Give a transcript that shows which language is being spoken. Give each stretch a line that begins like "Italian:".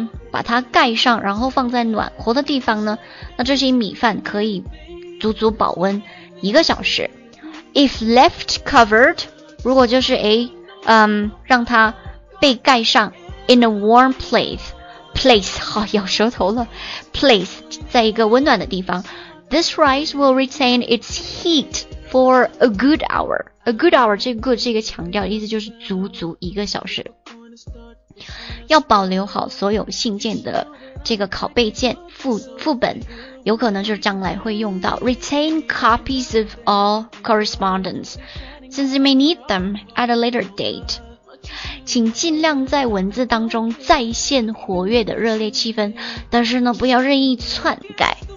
Chinese: 把它盖上然后放在暖和的地方呢那这些米饭可以足足保温一个小时
English: If left covered
Chinese: 如果就是让它被盖上
English: In a warm place
Chinese: 好咬舌头了 place 在一个温暖的地方
English: This rice will retain its heat for a good hour. A good hour,
Chinese: 这个 good 是一个强调，意思就是足足一个小时。要保留好所有信件的这个拷贝件副本，有可能就是将来会用到。
English: Retain copies of all correspondence, since you may need them at a later date.
Chinese: 请尽量在文字当中再现活跃的热烈气氛，但是呢，不要任意篡改。